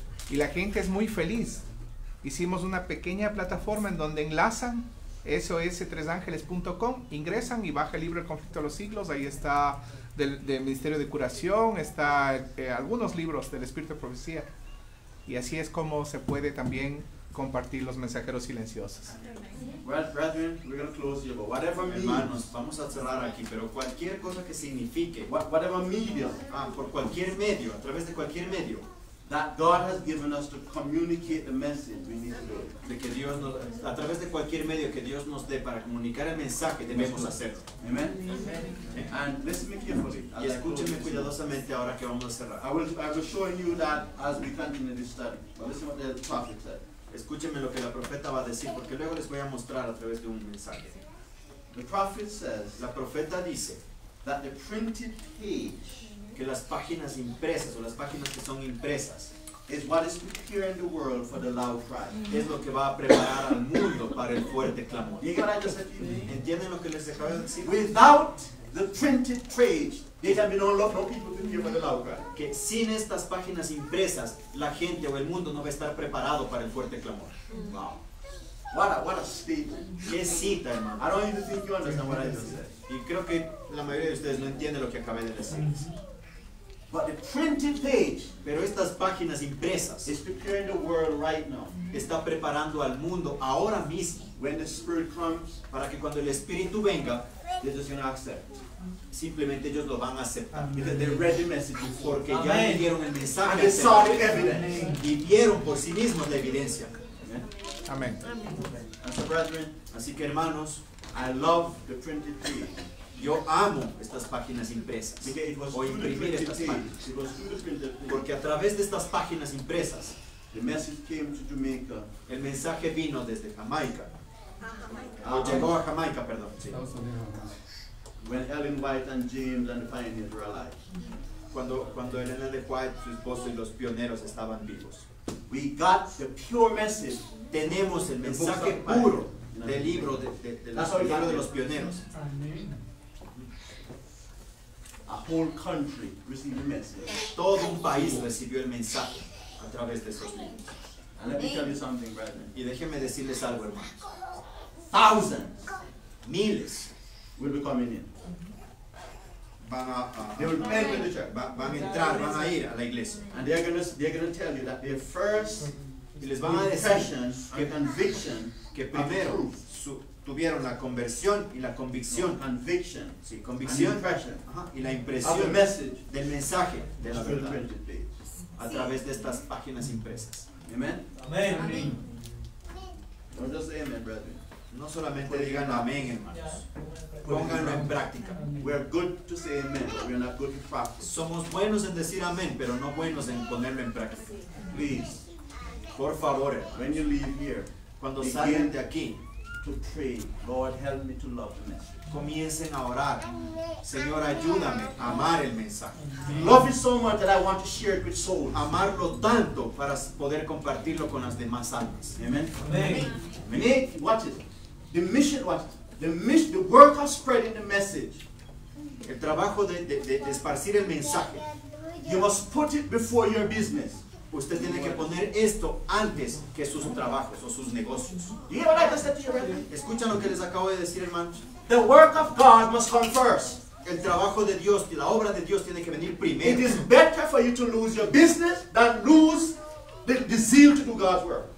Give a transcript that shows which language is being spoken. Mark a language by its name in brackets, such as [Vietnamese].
[Spanish] Y la gente es muy feliz. Hicimos una pequeña plataforma en donde enlazan sos3angeles.com, ingresan y baja el libro El conflicto de los siglos, ahí está del Ministerio de Curación, está algunos libros del Espíritu de Profecía. Y así es como se puede también compartir los mensajeros silenciosos. [English] Brethren, we're going to close here, but whatever means, [Spanish] hermanos, vamos a cerrar aquí, pero cualquier cosa que signifique, [English] whatever media, [Spanish] por cualquier medio, a través de cualquier medio, [English] that God has given us to communicate the message we need to do. [Spanish] De que Dios nos, a través de cualquier medio que Dios nos dé para comunicar el mensaje, debemos hacerlo. [English] Amen? Amen. And listen me carefully. [Spanish] Y escúcheme cuidadosamente ahora que vamos a cerrar. [English] I will show you that as we continue this study. Well, listen what the prophet said. [Spanish] Escúcheme lo que la profeta va a decir, porque luego les voy a mostrar a través de un mensaje. [English] The prophet says, [Spanish] la profeta dice, [English] that the printed page, [Spanish] que las páginas impresas o las páginas que son impresas, [English] is what is preparing the world for the loud cry. [Spanish] Es lo que va a preparar al mundo para el fuerte clamor. [English] You got what I said? [Spanish] ¿Entienden lo que les acabo de decir? [English] Without the printed page, there have been no people to hear for the loud cry. [Spanish] Que sin estas páginas impresas, la gente o el mundo no va a estar preparado para el fuerte clamor. [English] Wow. What a statement. [Spanish] Qué cita, hermano. [English] I don't even think you understand what I just said. [Spanish] Y creo que la mayoría de ustedes no entiende lo que acabé de decir. [English] But the printed page, [Spanish] pero estas páginas impresas, [English] is preparing the world right now. [Spanish] Está preparando al mundo ahora mismo. [English] When the Spirit comes, [Spanish] para que cuando el Espíritu venga, [English] they're just going to accept. [Spanish] Simplemente ellos lo van a aceptar. [English] Amen. Because they read the message, [Spanish] porque ya le dieron el mensaje. [English] And they saw the evidence. [Spanish] Y vieron por sí mismos la evidencia. [English] Amen. Amen. And so brethren, [Spanish] así que hermanos, [English] I love the printed page. [Spanish] Yo amo estas páginas impresas. [English] Okay, it was [Spanish] o imprimir estas páginas. Porque a través de estas páginas impresas, [English] the message came to Jamaica. [Spanish] El mensaje vino desde Jamaica. Llegó a Jamaica, perdón. Sí. [English] When Ellen White and James and the pioneers were alive. [Spanish] Cuando Ellen White, su esposo y los pioneros estaban vivos. [English] We got the pure message. [Spanish] Tenemos el mensaje puro del libro de los pioneros. Amén. [English] A whole country received the message. [Spanish] Todo un país recibió el mensaje a través de esos libros. [English] And let me tell you something, brethren. [Spanish] Y déjeme decirles algo, hermanos. [English] Thousands, [Spanish] miles, [English] will be coming in. [Spanish] Van a entrar, van a ir a la iglesia. [English] And they are going to tell you that their first impression, que conviction, [Spanish] que primero tuvieron la conversión y la convicción, [English] conviction, [Spanish] sí, convicción, y la impresión [English] of the message, [Spanish] del mensaje de la verdad, [English] printed page, [Spanish] a través de estas páginas impresas. Amén. Amén. [English] No just amen, brethren. [Spanish] No solamente digan amén, hermanos. Pónganlo en práctica. [English] We are good to say amen, but we are not good to practice. [Spanish] Somos buenos en decir amén, pero no buenos en ponerlo en práctica. [English] Please. [Spanish] Por favor, hermanos. [English] When you leave here, [Spanish] cuando salgan de aquí, [English] to pray, Lord, help me to love the message. [Spanish] Comiencen a orar. Señor, ayúdame a amar el mensaje. [English] Love it so much that I want to share it with souls. [Spanish] Amarlo tanto para poder compartirlo con las demás almas. [English] Amen. Amen. Watch it. The mission, watch it. The mission, the work of spreading the message. [Spanish] El trabajo de esparcir el mensaje. [English] You must put it before your business. [Spanish] Usted tiene que poner esto antes que sus trabajos o sus negocios. [English] You hear what I just said to you, right? [Spanish] Escucha lo que les acabo de decir, hermanos. [English] The work of God must come first. [Spanish] El trabajo de Dios y la obra de Dios tiene que venir primero. [English] It is better for you to lose your business than lose the zeal to do God's work.